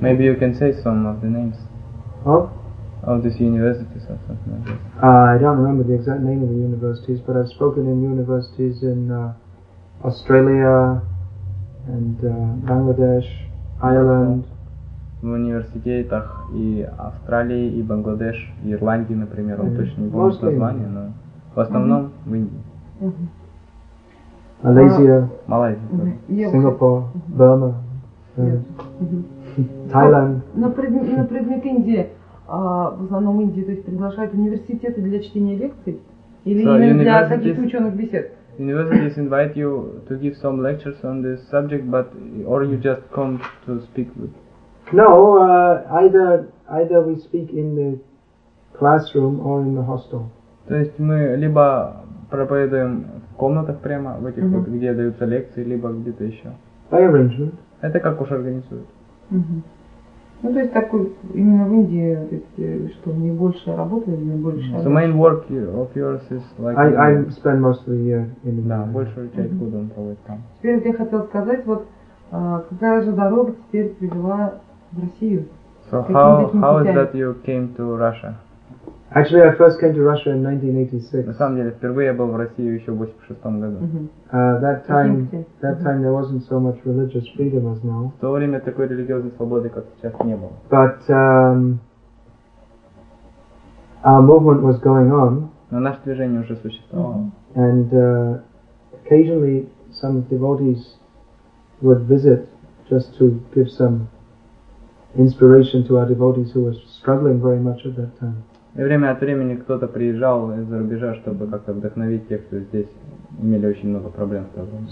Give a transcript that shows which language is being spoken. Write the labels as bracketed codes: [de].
[en] Maybe you can say some of the names. Of this university, or something like this. I don't remember the exact name of the universities, but I've spoken in universities in Australia and Bangladesh, Ireland. [ru] В университетах и Австралии и Бангладеш, и Ирландии, например, он точно не помнит название, но в основном в Индии. Малайзия. Малайзия. Сингапур. Бирма. Таиланд. На предмет Индии. В основном Индии, то есть приглашают университеты для чтения лекций или so именно для каких-то ученых бесед? [en] Universities invite you to give some lectures on this subject, but or you just come to speak with? No, either we speak in the classroom or in the hostel. [ru] То есть мы либо проповедуем в комнатах прямо, в этих, mm-hmm. где даются лекции, либо где-то еще. [en] By arrangement. [ru] Это как уж организуют. Mm-hmm. Ну то есть такой именно в Индии, что мне больше работы, мне больше. [en] So main work of yours is like. I spend most of the year in India. [ru] Да, большую часть года он проводит там. Теперь я хотел сказать, вот какая же дорога теперь привела в Россию? [en] So how is that you came to Russia? Actually, I first came to Russia in 1986. [ru] На самом деле, впервые я был в России еще в 86 году. [en] That time there wasn't so much religious freedom as now. [ru] В то время такой религиозной свободы, как сейчас, не было. [en] But our movement was going on. [ru] Но наше движение уже существовало. Mm-hmm. [en] And occasionally some devotees would visit just to give some inspiration to our devotees who were struggling very much at that time. [ru] И время от времени кто-то приезжал из-за рубежа, чтобы как-то вдохновить тех, кто здесь имели очень много проблем с тобой.